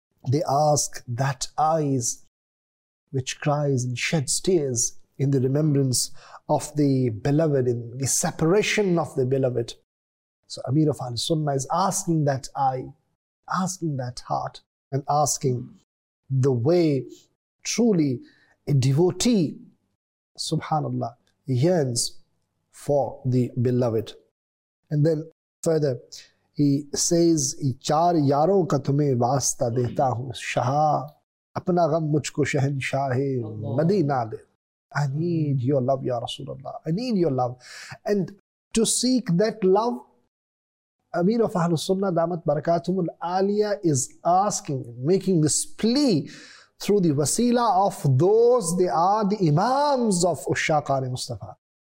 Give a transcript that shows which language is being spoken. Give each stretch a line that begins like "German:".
English: They ask that eyes which cries and sheds tears in the remembrance of the beloved, in the separation of the beloved. So Amir of Al-Sunnah is asking that eye, asking that heart, and asking the way truly a devotee, subhanAllah, yearns for the beloved. And then further, he says,
Urdu: چار یاروں کا تمہیں واسطہ دیتا ہوں شاہ اپنا غم مجھ کو شہنشاہ مدینہ دے.
English: I need your love, Ya Rasulullah. I need your love. And to seek that love, Amir of Ahl Sunnah, Damat Barakatum Al-Aliya, is asking, making this plea through the wasila of those, they are the imams of Ushaqani Mustafa.